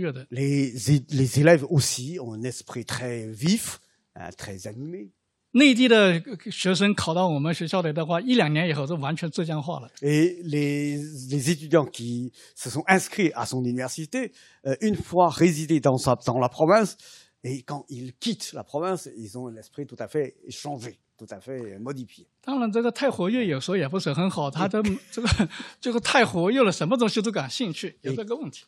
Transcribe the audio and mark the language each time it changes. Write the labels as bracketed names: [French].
[French] Les élèves aussi ont un esprit très vif, très animé. [Chinese] 内地的学生考到我们学校里的话，一两年以后就完全浙江化了。 [French] Et les étudiants qui se sont inscrits à son université, une fois résidés dans sa, dans la province, et quand ils quittent la province, ils ont l'esprit tout à fait changé, tout à fait modifié. [Chinese] 当然，这个太活跃有时候也不是很好，他的这个太活跃了，什么东西都感兴趣，有这个问题。